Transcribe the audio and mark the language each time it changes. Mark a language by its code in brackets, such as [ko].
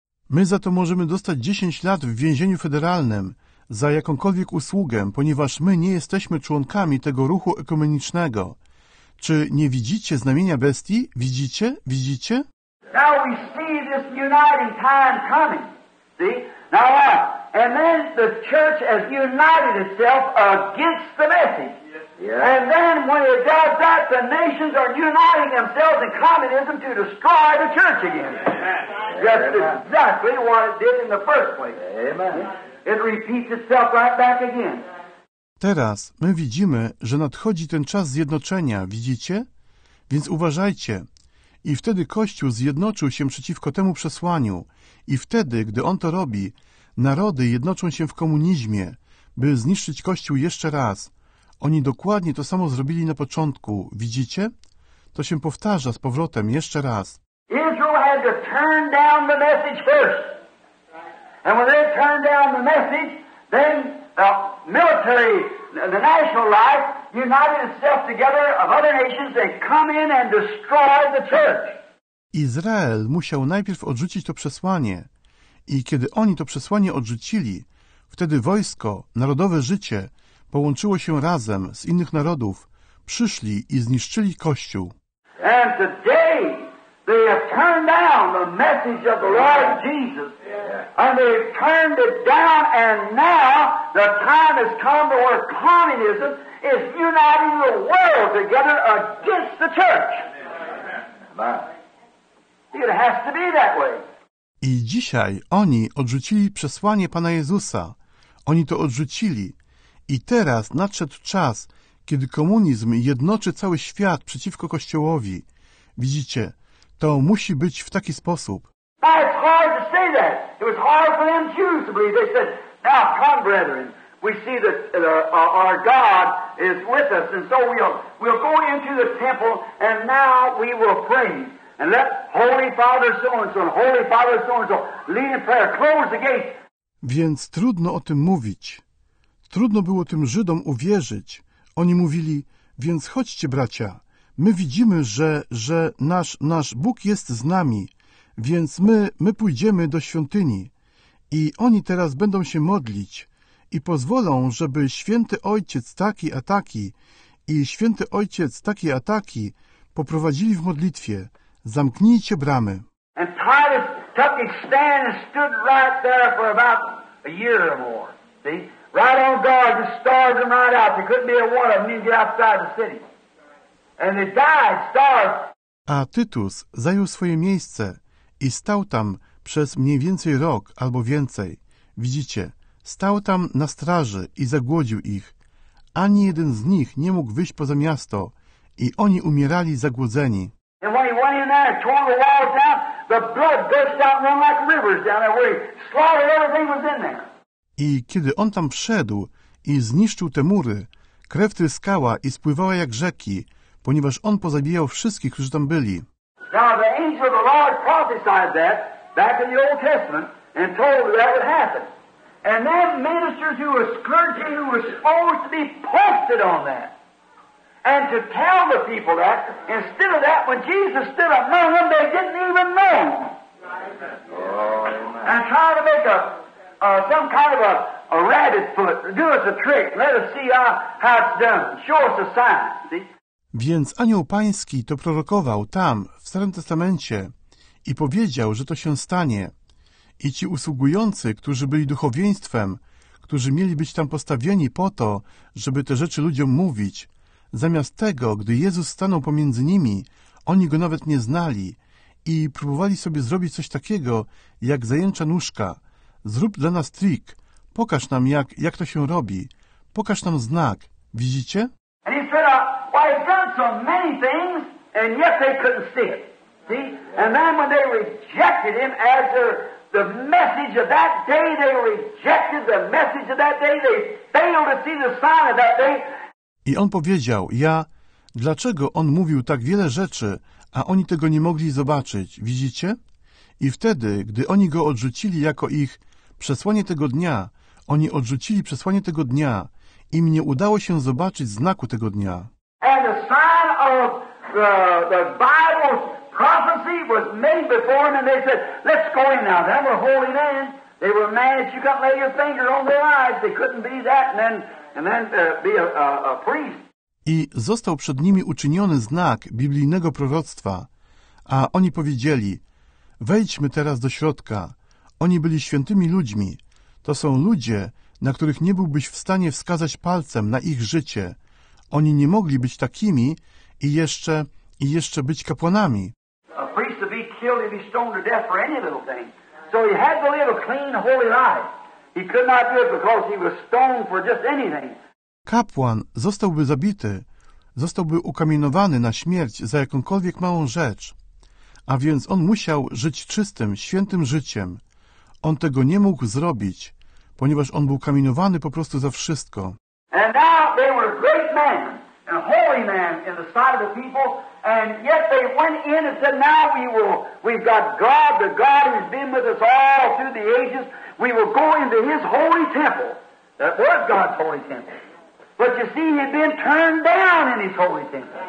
[pl] My za to możemy dostać 10 lat w więzieniu federalnym za jakąkolwiek usługę, ponieważ my nie jesteśmy członkami tego ruchu ekumenicznego. Czy nie widzicie znamienia bestii? Widzicie? Widzicie? [en] Now we see this uniting time coming. See? Now what? And then the church has united itself against the message. Yes. And then when it does that, the nations are uniting themselves in communism to destroy the church again. Yes. That's Amen. Exactly what it did in the first place. Amen. It repeats itself right back again. [pl] Teraz my widzimy, że nadchodzi ten czas zjednoczenia, widzicie? Więc uważajcie. I wtedy Kościół zjednoczył się przeciwko temu przesłaniu. I wtedy, gdy on to robi, narody jednoczą się w komunizmie, by zniszczyć Kościół jeszcze raz. Oni dokładnie to samo zrobili na początku, widzicie? To się powtarza z powrotem jeszcze raz. [en] Israel had to turn down the message first. And when they turned down the message, then the military, the national life, united itself together of other nations, they come in and destroy the church. [pl] Izrael musiał najpierw odrzucić to przesłanie. I kiedy oni to przesłanie odrzucili, wtedy wojsko, narodowe życie, połączyło się razem z innych narodów, przyszli i zniszczyli Kościół. [en] And today they have turned down the message of the Lord Jesus. And they turned it down, and now the time has come to where communism is uniting the world together against the church. It has to be that way. [pl] I dzisiaj oni odrzucili przesłanie Pana Jezusa. Oni to odrzucili. I teraz nadszedł czas, kiedy komunizm jednoczy cały świat przeciwko Kościołowi. Widzicie, to musi być w taki sposób. [en] It's hard to say that. It was hard for them Jews to believe. They said, now come, brethren, we see that our God is with us, and so we'll go into the temple, and now we will pray. And let Holy Father so-and-so and Holy Father so-and-so lead in prayer. Close the gate. [pl] Więc trudno o tym mówić. Trudno było tym Żydom uwierzyć. Oni mówili, więc chodźcie, bracia. My widzimy, że nasz Bóg jest z nami. Więc my pójdziemy do świątyni i oni teraz będą się modlić i pozwolą, żeby Święty Ojciec taki a taki i Święty Ojciec taki a taki poprowadzili w modlitwie. Zamknijcie bramy. [en] And Titus took his stand and stood right there for about a year or more. See? Right on guard, just starved them right out. There couldn't be a one of them to get outside the city. And they died, starved. [pl] A Tytus zajął swoje miejsce i stał tam przez mniej więcej rok albo więcej. Widzicie, stał tam na straży i zagłodził ich. Ani jeden z nich nie mógł wyjść poza miasto i oni umierali zagłodzeni. [en] And when he went in there and tore the walls down, the blood gushed out and ran like rivers down there where he slaughtered everything that was in there. [pl] I kiedy on tam wszedł i zniszczył te mury, krew tryskała i spływała jak rzeki, ponieważ on pozabijał wszystkich, którzy tam byli. [en] Now the angel of the Lord prophesied that back in the Old Testament and told that would happen. And then ministers who were scourging, who were supposed to be posted on that. And to tell the people that, instead of that, when Jesus stood up among them, they didn't even know. Amen. And try to make some kind of a rabbit foot. Do us a trick. Let us see how it's done. Show us a sign. See? [pl] Więc anioł pański to prorokował tam, w Starym Testamencie, i powiedział, że to się stanie. I ci usługujący, którzy byli duchowieństwem, którzy mieli być tam postawieni po to, żeby te rzeczy ludziom mówić, zamiast tego, gdy Jezus stanął pomiędzy nimi, oni go nawet nie znali i próbowali sobie zrobić coś takiego, jak zajęcza nóżka. Zrób dla nas trik. Pokaż nam, jak to się robi. Pokaż nam znak. Widzicie? [en] And he said, well, I've done so many things, and yet they couldn't see it. See? And then when they rejected him as the message of that day, they rejected the message of that day, they failed to see the sign of that day. [pl] I on powiedział, dlaczego on mówił tak wiele rzeczy, a oni tego nie mogli zobaczyć, widzicie? I wtedy, gdy oni go odrzucili jako ich przesłanie tego dnia, oni odrzucili przesłanie tego dnia, im nie udało się zobaczyć znaku tego dnia. [en] And the sign of the Bible's prophecy was made before them, and they said, let's go in now, they were holy men. They were mad that you couldn't lay your finger on their eyes, they couldn't be that, and then be a priest. [pl] I został przed nimi uczyniony znak biblijnego proroctwa, a oni powiedzieli, wejdźmy teraz do środka. Oni byli świętymi ludźmi. To są ludzie, na których nie byłbyś w stanie wskazać palcem na ich życie. Oni nie mogli być takimi i jeszcze być kapłanami. [en] A priest would be killed if he stoned to death for any little thing. So he had to live a clean, holy life. He could not do it because he was stoned for just anything. [pl] Kapłan zostałby zabity, zostałby ukamienowany na śmierć za jakąkolwiek małą rzecz. A więc on musiał żyć czystym, świętym życiem. On tego nie mógł zrobić, ponieważ on był kamienowany po prostu za wszystko. [en] And now they were great men, a holy man in the sight of the people, and yet they went in and said, now we've got God, the God who's been with us all through the ages, we will go into his holy temple. That was God's holy temple. But you see, he'd been turned down in his holy temple.